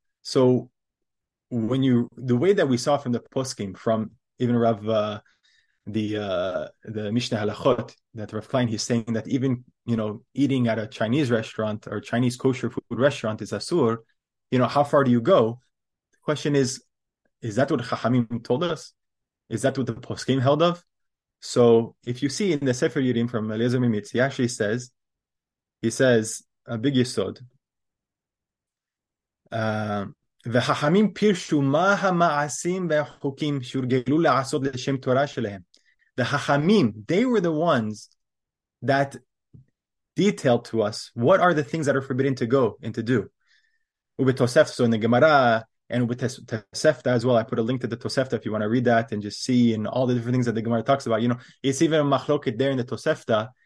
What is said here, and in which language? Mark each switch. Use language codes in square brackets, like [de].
[en] So when you, the way that we saw from the poskim, from even Rav, the Mishnah Halachot, that Rav Klein, he's saying that even, you know, eating at a Chinese restaurant or Chinese kosher food restaurant is asur, you know, how far do you go? The question is that what Chachamim told us? Is that what the poskim held of? So if you see in the Sefer Yirim from Eliezer Mimitz, he actually says, a big yisod, [he] וחכמים פירשו מה המעשים והחוקים שהורגלו לעשות לשם תורה שלהם. [en] The Chachamim, they were the ones that detailed to us what are the things that are forbidden to go and to do. ובתוספתא, so in the Gemara, and ובתוספתא as well, I put a link to the Tosefta if you want to read that and just see and all the different things that the Gemara talks about. You know, it's even a machloket there in the Tosefta.